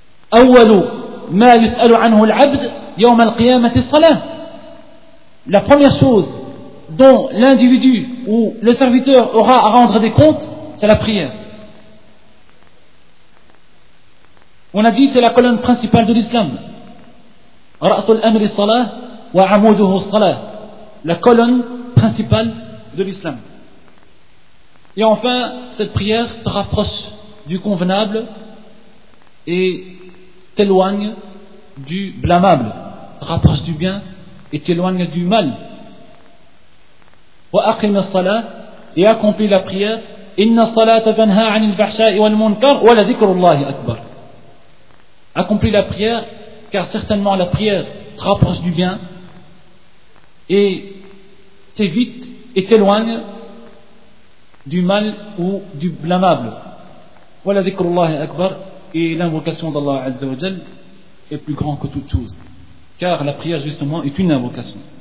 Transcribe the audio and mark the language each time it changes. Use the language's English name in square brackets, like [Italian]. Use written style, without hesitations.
[Arabic] Awwalu ma yus'alu anhu al-abd yawm al-qiyamah al-salah. [French] La première chose dont l'individu ou le serviteur aura à rendre des comptes, c'est la prière. On a dit que c'est la colonne principale de l'islam. [Arabic] رأس الأمر الصلاة وعموده الصلاة. [French] La colonne principale de l'islam. Et enfin, cette prière te rapproche du convenable et t'éloigne du blâmable. Te rapproche du bien et t'éloigne du mal. [Arabic] وأقم الصلاة [French] et accomplis la prière. [Arabic] إن الصلاة تنهى عن الفحشاء والمنكر ولذكر الله أكبر. [French] Accomplis la prière, car certainement la prière te rapproche du bien et t'évite et t'éloigne du mal ou du blâmable. Voilà [Arabic] zikrullah akbar, [French] et l'invocation d'Allah Azza wa Jal est plus grand que toute chose, car la prière justement est une invocation.